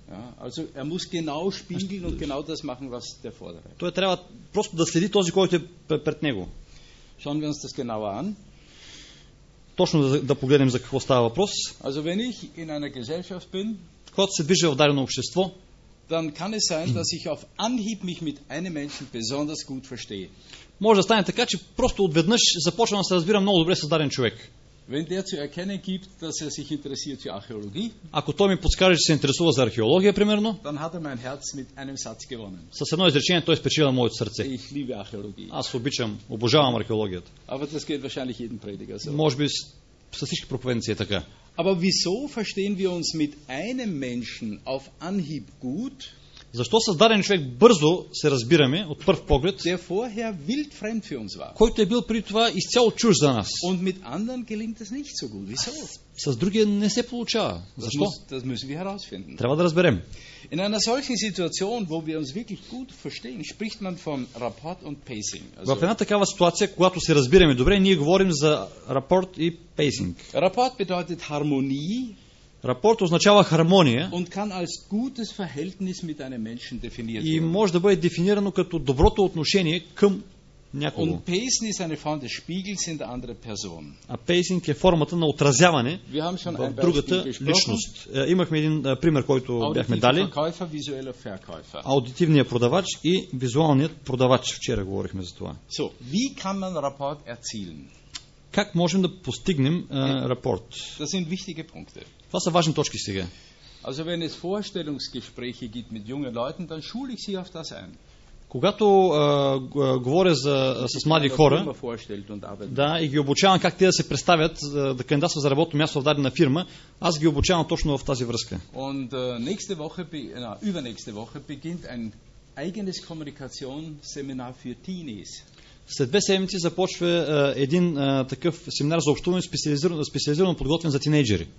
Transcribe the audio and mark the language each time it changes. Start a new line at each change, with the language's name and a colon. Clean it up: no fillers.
German: Ja, also er muss genau spiegeln und genau das machen, was der vordere.
Bulgarian: Той трябва просто да следи този, който е пред него.
German: Schauen wir uns das genauer an.
Bulgarian: Точно да погледнем за какво става въпрос.
German: Also wenn ich in einer Gesellschaft bin,
Bulgarian: когато се движа в дадено общество,
German: dann kann es sein, dass ich auf Anhieb mich mit einem Menschen besonders gut verstehe.
Bulgarian: Може да стане така, че просто отведнъж започвам да се разбирам много добре с даден човек.
German: Wenn der zu erkennen gibt, dass er sich interessiert für Archäologie,
Bulgarian: ако той ми подскаже, че се интересува за археология, примерно,
German: dann hat er mein Herz mit einem Satz gewonnen.
Bulgarian: С едно изречение той спечели моето сърце.
German: Ich liebe Archäologie.
Bulgarian: Аз обичам, обожавам археологията.
German: Aber das geht wahrscheinlich jeden Prediger so.
Bulgarian: Може би с всички проповедници е така.
German: Aber wieso verstehen wir uns mit einem Menschen auf Anhieb gut?
Bulgarian: Защо с даден човек бързо се разбираме от пръв поглед,
German: der vorher wild fremd für uns war.
Bulgarian: Който е бил при това изцяло чуж за нас.
German: Und mit anderen gelingt es nicht so gut. Wieso?
Bulgarian: С другия не се получава. Защо?
German: Das müssen wir herausfinden.
Bulgarian: Трябва да разберем.
German: In einer solchen Situation, wo wir uns wirklich gut verstehen, spricht man von rapport und pacing.
Bulgarian: Also, в една такава ситуация, когато се разбираме добре, ние говорим за рапорт и пейсинг.
German: Rapport bedeutet Harmonie.
Bulgarian: Rapport означава хармония.
German: Und kann als gutes Verhältnis mit einem Menschen definiert werden.
Bulgarian: И може да бъде дефинирано като доброто отношение към някого.
German: Und pacing ist eine Form des Spiegels in der anderen Person.
Bulgarian: А пейсинг е формата на отразяване в другата личност. Имахме един пример, който бяхме дали. Аудитивният продавач и визуалният продавач. Вчера говорихме за това.
German: So, wie kann man rapport erzielen?
Bulgarian: Как можем да постигнем рапорт?
German: Das sind wichtige Punkte.
Bulgarian: Това са важни точки сега.
German: Also wenn es Vorstellungsgespräche gibt mit jungen Leuten, dann schule ich sie auf das ein.
Bulgarian: Когато говоря с млади хора, да, и ги обучавам как те да се представят, да кандидатстват за работно място в дадена фирма, аз ги обучавам точно в тази връзка.
German: Und nächste Woche, übernächste Woche beginnt ein eigenes Kommunikationsseminar für Teenies.
Bulgarian: След две седмици започва един такъв семинар за общуване, специализирано подготвен за тинейджери.